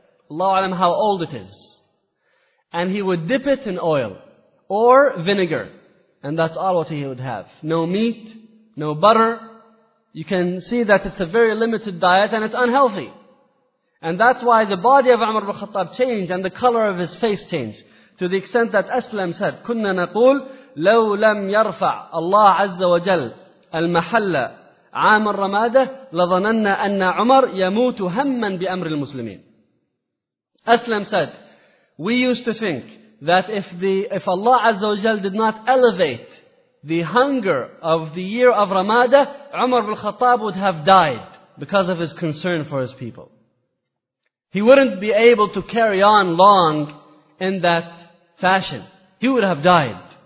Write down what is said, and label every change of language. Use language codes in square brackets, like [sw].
[en] Allah alam how old it is. And he would dip it in oil or vinegar. And that's all what he would have. No meat, no butter. You can see that it's a very limited diet and it's unhealthy. And that's why the body of Umar ibn Khattab changed and the color of his face changed. To the extent that Aslam said, [ar] كُنَّا نَقُولْ لَوْ لَمْ يَرْفَعْ اللَّهُ عَزَّ وَجَلَّ الْمَحَلَّ عَامَ الرَّمَادَةِ لَظَنَنَّا أَنَّ عُمَرْ يَمُوتُ هَمَّا بِأَمْرِ الْمُسْلِمِينَ. [en] Aslam said, we used to think that if Allah Azza wa Jal did not elevate the hunger of the year of Ramada, Umar ibn Khattab would have died because of his concern for his people. He wouldn't be able to carry on long in that fashion. He would have died.